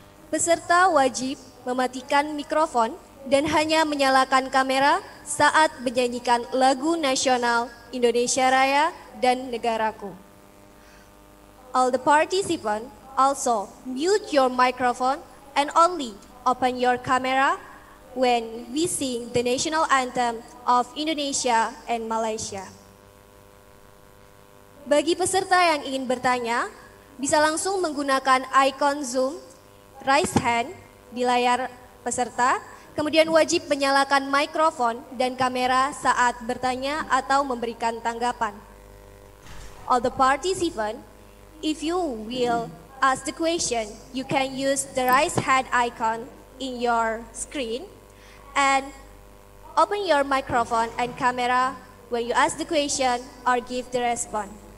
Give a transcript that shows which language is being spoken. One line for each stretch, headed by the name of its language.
Indonesian: Peserta wajib mematikan mikrofon dan hanya menyalakan kamera saat menyanyikan lagu nasional Indonesia Raya dan Negaraku.
English: All the participants also mute your microphone and only open your camera when we sing the national anthem of Indonesia and Malaysia.
Indonesian: Bagi peserta yang ingin bertanya, bisa langsung menggunakan icon Zoom, raise hand di layar peserta, kemudian wajib menyalakan mikrofon dan kamera saat bertanya atau memberikan tanggapan.
English: All the participants, if you will ask the question, you can use the raise hand icon in your screen and open your microphone and camera when you ask the question or give the response.